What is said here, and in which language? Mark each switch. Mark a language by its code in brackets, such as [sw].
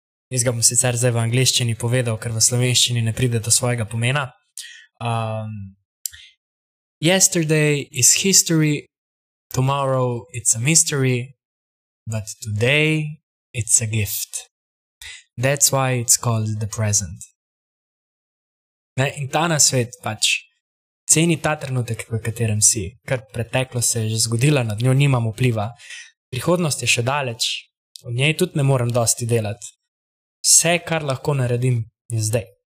[sl] Jaz ga bom sicer zdaj v angleščini povedal, ker v slovenščini ne pride do svojega pomena. [en] Yesterday is history, tomorrow it's a mystery, but today it's a gift. That's why it's called the present. [sl] Ne, in ta na svet pač ceni ta trenutek, v katerem si, ker preteklo se je že zgodila, nad njo nimam vpliva. Prihodnost je še daleč, V njej tudi ne morem dosti delati. Vse, kar lahko naredim, je zdaj.